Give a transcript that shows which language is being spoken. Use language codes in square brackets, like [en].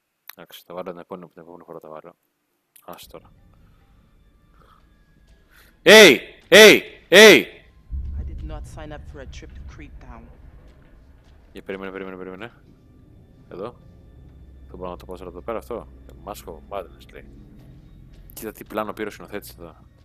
[el] Εντάξει, θα βάλω την επόμενη φορά θα βάλω. Άσε τώρα. [en] Hey! Hey! Hey! I did not sign up for a trip to Crete Town. [el] Για περίμενε, περίμενε, περίμενε. Εδώ. Δεν μπορώ να το πω εδώ πέρα αυτό. Μάσχο, Madness λέει. Κοίτα τι πλάνο πήρε ο σκηνοθέτης εδώ.